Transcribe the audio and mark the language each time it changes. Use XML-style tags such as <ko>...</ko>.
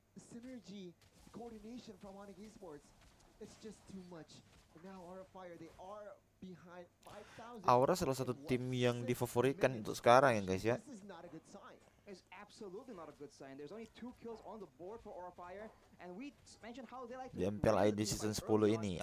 <en>Synergy, coordination from Onyx Esports, it's just too much. Now Aura Fire, they are behind 5,000.</en> <id>Aura salah satu tim yang difavoritkan untuk sekarang ya guys ya.</id> <en>This is not a good sign. It's absolutely not a good sign. There's only 2 kills on the board for Aura Fire, and we mentioned how they like to play MPL ID season 10 ini.</en>